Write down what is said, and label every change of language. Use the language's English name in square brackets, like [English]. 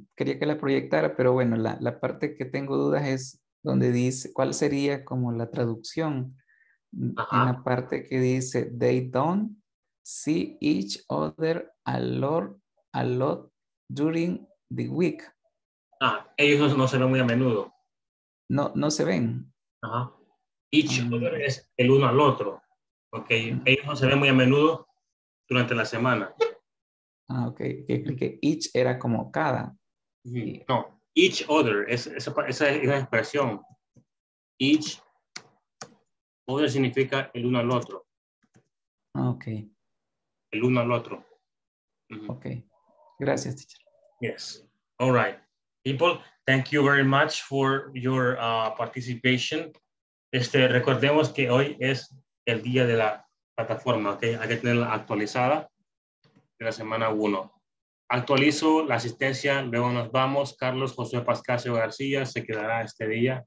[Spanish] Quería que la proyectara, pero bueno, la parte que tengo dudas es donde dice, ¿cuál sería como la traducción? Ajá. En la parte que dice [English] they don't see each other a lot during the week. [Spanish] Ah, ellos no se ven muy a menudo. No se ven. Ajá. Each other es el uno al otro. Okay. Ellos no se ven muy a menudo durante la semana. Ah, okay. Que each era como cada. No, each other esa es la expresión. Each other significa el uno al otro. [English] Ok. [Spanish] El uno al otro. Mm-hmm. Ok. Gracias, teacher. [English] Yes. All right. People, thank you very much for your participation. [Spanish] Recordemos que hoy es el día de la plataforma, ok? Hay que tenerla actualizada de la semana 1. Actualizo la asistencia, luego nos vamos. Carlos José Pascasio García se quedará este día.